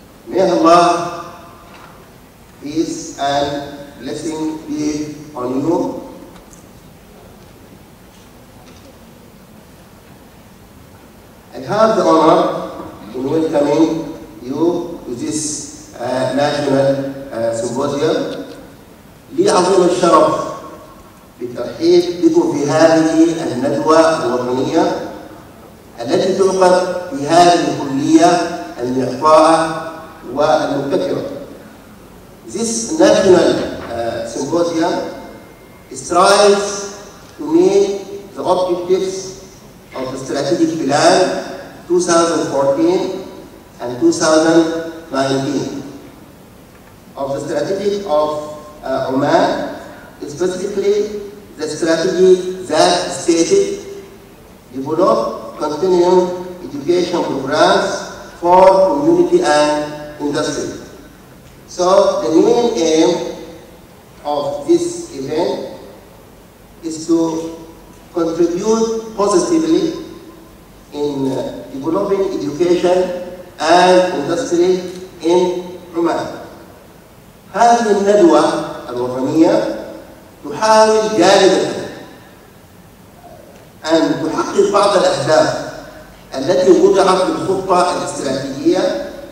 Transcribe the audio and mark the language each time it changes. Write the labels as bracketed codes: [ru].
[en] may Allah peace and blessing be on you I have the honor in welcoming you to this national symposium. [ar] لي عظيم الشرف بالترحيب بكم في هذه الندوة الوطنية التي تعقد في هذه الكلية المحطاة والمبتكرة. [en] This national symposium strives to meet the objectives of the strategic plan 2014 and 2019 of the strategy of Oman, specifically the strategy that stated develop continuing education programs for community and industry. So the main aim of this event is to contribute positively in developing education and industry in Oman. [ar] هذه الندوة الوطنية تحاول جاهدة أن تحقق بعض الأهداف التي وضعت في الخطة الاستراتيجية